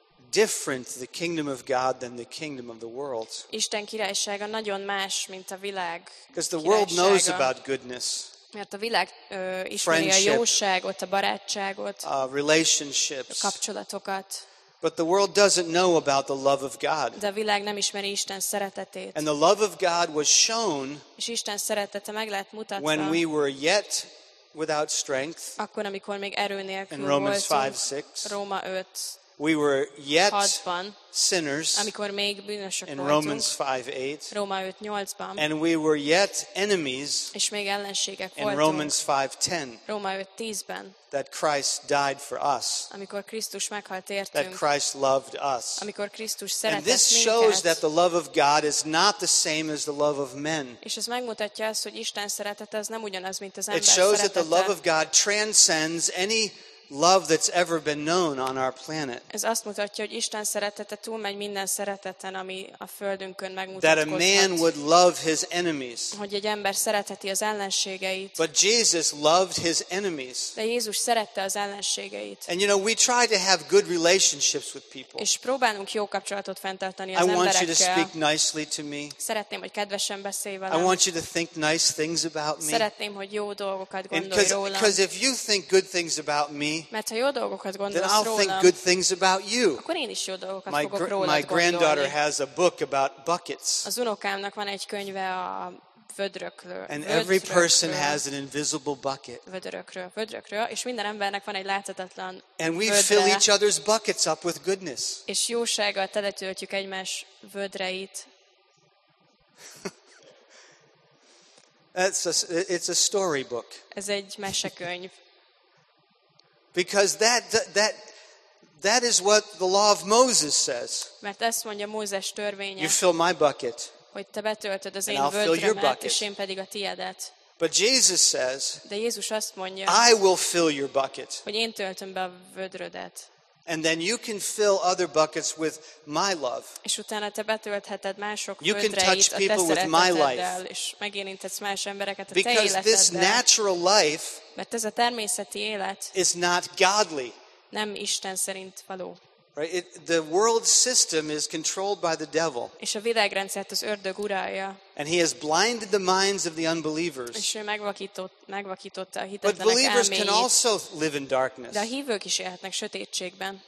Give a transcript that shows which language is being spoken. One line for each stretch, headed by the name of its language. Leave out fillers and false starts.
English: different the kingdom of God than the kingdom of the world.
Hungarian: Isten királysága nagyon más, mint a világ.
English: Because the world knows about goodness.
Hungarian: Mert a világ ismeri a jóságot, a barátságot,
English: relationships,
Hungarian: a kapcsolatokat.
English: But the world doesn't know about the love of God.
Hungarian: De a világ nem ismeri Isten szeretetét.
English: And the love of God was shown
Hungarian: Isten szeretete meg lehet mutatva.
English: When we were yet without strength.
Hungarian: Akkor, amikor még erő nélkül voltunk.
English: In Romans 5:6.
Hungarian: Róma 5.
English: We were yet
Hungarian: 6-ban,
English: sinners.
Hungarian: Amikor még bűnösök
English: in
Hungarian: voltunk.
English: In Romans 5:8.
Hungarian: Róma 5:8-ban.
English: And we were yet enemies.
Hungarian: És még ellenségek voltunk.
English: In Romans 5:10.
Hungarian: Róma 5:10-ben.
English: That Christ died for us.
Hungarian: Amikor Krisztus meghalt értünk.
English: That Christ loved us.
Hungarian: Amikor Krisztus szeretett minket.
English: And this shows that the love of God is not the same as the love of men.
Hungarian: És ez megmutatja azt, hogy Isten szeretete az nem ugyanaz, mint az ember szeretete.
English: It shows that the love of God transcends any love that's ever been known on our planet.
Hungarian: Ez azt mutatja, hogy Isten szeretete túlmegy minden szereteten, ami a földünkön megmutatkozhat.
English: That a man would love his enemies.
Hungarian: Hogy egy ember szereteti az ellenségeit.
English: But Jesus loved his enemies.
Hungarian: De Jézus szerette az ellenségeit.
English: And you know, we try to have good relationships with people.
Hungarian: És próbálunk jó kapcsolatot fenntartani az emberekkel.
English: I want you to speak nicely to me.
Hungarian: Szeretném, hogy kedvesen beszélj velem.
English: I want you to think nice things about me.
Hungarian: Szeretném, hogy jó dolgokat gondolj rólam.
English: Because if you think good things about me,
Hungarian: mert ha jó dolgokat gondolsz rólam,
English: then I'll think good things about you.
Hungarian: Akkor én is jó dolgokat
English: my
Hungarian: fogok rólad gondolni.
English: My granddaughter has a book about buckets.
Hungarian: Az unokámnak van egy könyve a vödrökről.
English: And every person has an invisible bucket.
Hungarian: Vödrökről, és minden embernek van egy láthatatlan vödre.
English: And we fill each other's buckets up with goodness.
Hungarian: És jósággal teletöltjük egymás vödreit.
English: It's a storybook.
Hungarian: Ez egy mesekönyv.
English: Because that is what the law of Moses says.
Hungarian: Mert ezt mondja Mózes törvénye.
English: You fill my bucket.
Hungarian: Hogy te betöltöd az én vödrömet, és én pedig a tiédet.
English: But Jesus says,
Hungarian: de Jézus azt mondja,
English: I will fill your bucket.
Hungarian: Hogy én töltöm be a vödrödet.
English: And then you can fill other buckets with my love.
Hungarian: És utána te betöltheted mások
English: you can touch people with my life.
Hungarian: És megérintesz más embereket a te életeddel.
English: Because this natural life
Hungarian: mert ez a természeti élet
English: is not godly.
Hungarian: Nem Isten szerint való.
English: Right? The world system is controlled by the devil.
Hungarian: És a világrendszert az ördög uralja.
English: And he has blinded the minds of the unbelievers.
Hungarian: És ő megvakította a hitetlenek elméjét.
English: But believers can also live in darkness.
Hungarian: De a hívők is élhetnek sötétségben.